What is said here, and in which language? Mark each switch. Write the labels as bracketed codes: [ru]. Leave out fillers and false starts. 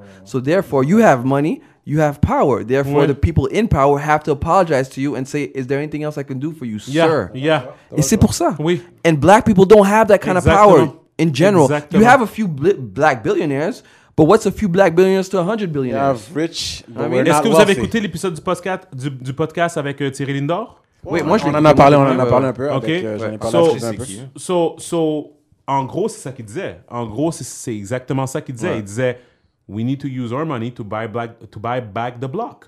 [en] So therefore, you have money, you have power. Therefore, the people in power have to apologize to you and say, is there anything else I can do for you, yeah, sir? Yeah. [fr] Et c'est pour ça. Oui. [en] And Black people don't have that kind of power in general. Exactly. You have a few Black billionaires, but what's a few Black billionaires to 100 billionaires? You have rich, but we're not wealthy. [fr] Est-ce que vous avez écouté l'épisode du podcast avec Thierry Lindor? Oui, moi, je l'ai écouté. On en a parlé un peu. OK. So, en gros, c'est ça qu'il disait. En gros, c'est exactement ça qu'il disait. Il disait... [en] We need to use our money to buy back the block.